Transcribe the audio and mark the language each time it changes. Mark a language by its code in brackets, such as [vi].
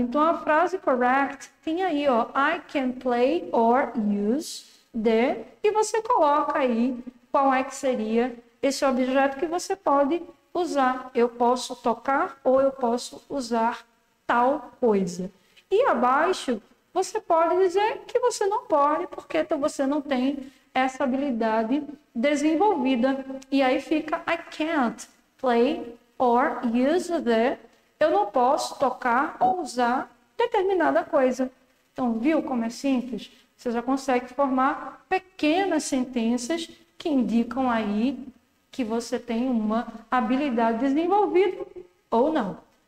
[pt] Então, a frase correct tem aí, ó, [en] I can play or use the, [pt] e você coloca aí qual é que seria esse objeto que você pode usar. Eu posso tocar ou eu posso usar tal coisa. E abaixo, você pode dizer que você não pode, porque você não tem essa habilidade desenvolvida. E aí fica, [en] I can't play or use the. [pt] Eu não posso tocar ou usar determinada coisa. Então, viu como é simples? Você já consegue formar pequenas sentenças que indicam aí que você tem uma habilidade desenvolvida ou não.